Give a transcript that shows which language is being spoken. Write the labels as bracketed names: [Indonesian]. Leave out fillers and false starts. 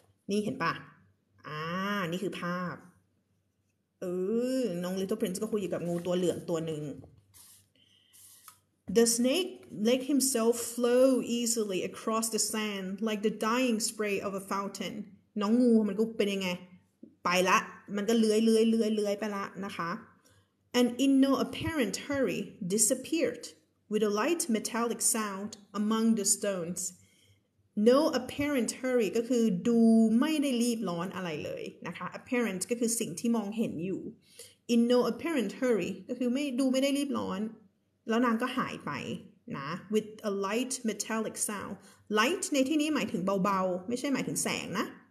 [Thai] นี่เห็นป่ะนี่คือภาพน้อง Little Prince ก็คุยอยู่กับงูตัวเหลืองตัวหนึ่ง [English] The snake let himself flow easily across the sand like the dying spray of a fountain [Thai] น้องงูมันก็เป็นยังไงไปละมันก็เลื้อยไปละนะคะ [English] And in no apparent hurry disappeared with a light metallic sound among the stones No apparent hurry [Thai] ก็คือดูไม่ได้รีบร้อนอะไรเลยนะคะ apparent ก็คือสิ่งที่มองเห็นอยู่ [English] in no apparent hurry [Thai] ก็คือไม่ได้รีบร้อนแล้วนางก็หายไปนะ [English] with a light metallic sound [Thai] light ในที่นี้หมายถึงเบาๆไม่ใช่หมายถึงแสงนะ